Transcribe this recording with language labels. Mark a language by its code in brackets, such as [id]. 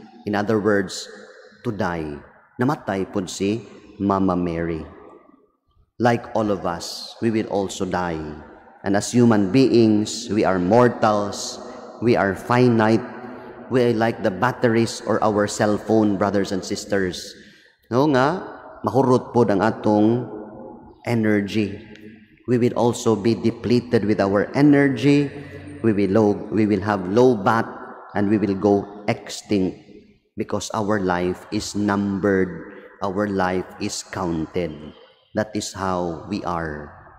[en] In other words, to die. [ceb] Namatay po si Mama Mary. [en] Like all of us, we will also die. And as human beings, we are mortals, we are finite, we are like the batteries or our cell phone, brothers and sisters. [ceb] No nga, mahurot po ang atong energy. [en] We will also be depleted with our energy. We will have low bat and we will go extinct because our life is numbered. Our life is counted. That is how we are.